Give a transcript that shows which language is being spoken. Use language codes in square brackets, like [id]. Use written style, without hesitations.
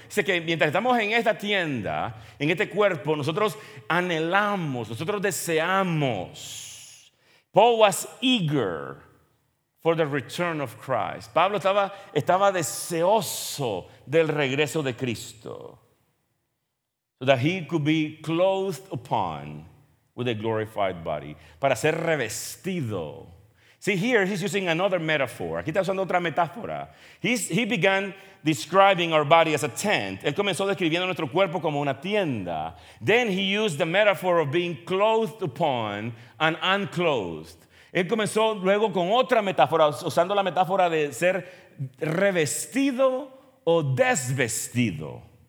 [es] Dice que mientras estamos en esta tienda, en este cuerpo, nosotros anhelamos, nosotros deseamos. [en] Paul was eager for the return of Christ. [es] Pablo estaba deseoso del regreso de Cristo. [en] So that he could be clothed upon with a glorified body. [es] Para ser revestido. [en] See, here he's using another metaphor. [es] Aquí está usando otra metáfora. [en] He began describing our body as a tent. [es] Él comenzó describiendo nuestro cuerpo como una tienda. [en] Then he used the metaphor of being clothed upon and unclothed. [es] Él comenzó luego con otra metáfora, usando la metáfora de ser revestido o desvestido.